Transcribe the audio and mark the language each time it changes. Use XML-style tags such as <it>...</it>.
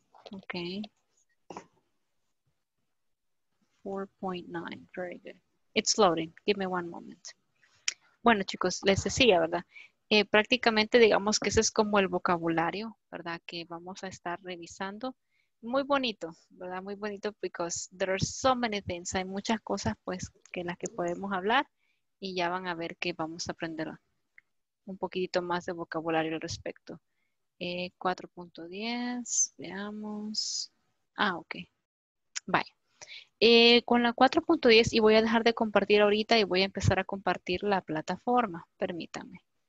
<en>Ok. 4.9, very good. It's loading, give me one moment.</en> <es>Bueno, chicos, les decía, ¿verdad? Prácticamente digamos que ese es como el vocabulario, ¿verdad? Que vamos a estar revisando. Muy bonito, ¿verdad? Muy bonito</es> <en>because there are so many things.</en> <es>Hay muchas cosas, pues, que las que podemos hablar y ya van a ver que vamos a aprender un poquito más de vocabulario al respecto. 4.10, veamos. Ah, ok. Vaya. Con la 4.10, y voy a dejar de compartir ahorita y voy a empezar a compartir la plataforma. Permítanme.</es>